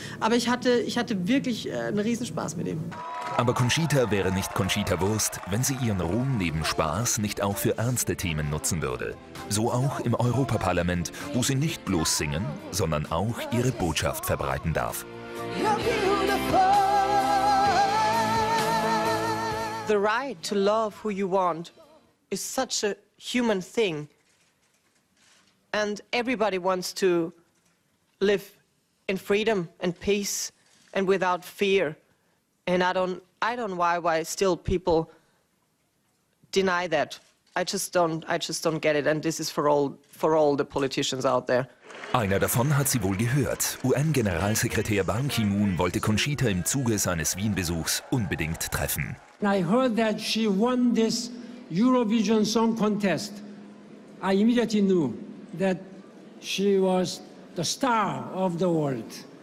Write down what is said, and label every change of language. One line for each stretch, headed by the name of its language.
German: Aber ich hatte wirklich einen Riesenspaß mit ihm. Aber Conchita wäre nicht Conchita Wurst, wenn sie ihren Ruhm neben Spaß nicht auch für ernste Themen nutzen würde. So auch im Europaparlament, wo sie nicht bloß singen, sondern auch ihre Botschaft verbreiten darf.
English: The right to love who you want is such a human thing. And everybody wants to live in freedom and peace and without fear. And I don't know why still people deny that. I just don't get it. And this is for all the politicians out there.
German: Einer davon hat sie wohl gehört. UN-Generalsekretär Ban Ki-moon wollte Conchita im Zuge seines Wien-Besuchs unbedingt treffen.
English: I heard that she won this Eurovision Song Contest. I immediately knew that she was the star of the world.